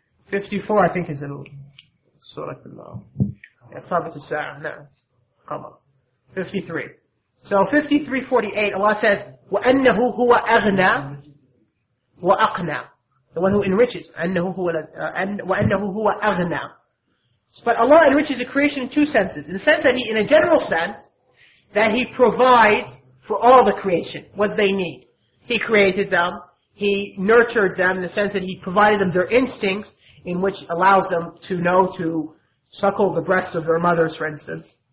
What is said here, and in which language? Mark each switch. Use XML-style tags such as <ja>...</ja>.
<en>54, I think, is in Surah Allah. Yeah, Tabat al-Sa'ah, no. Qamar. 53. So 53:48, Allah says,</en> <ar>وَأَنَّهُ هُوَ أَغْنَى وَأَقْنَى.</ar> <en>The one who enriches.</en> <ar>وَأَنَّهُ هُوَ أَغْنَى.</ar> <en>But Allah enriches the creation in two senses. In the sense that He, in a general sense, that He provides for all the creation, what they need. He created them, He nurtured them, in the sense that He provided them their instincts, in which allows them to know to suckle the breasts of their mothers, for instance.</en>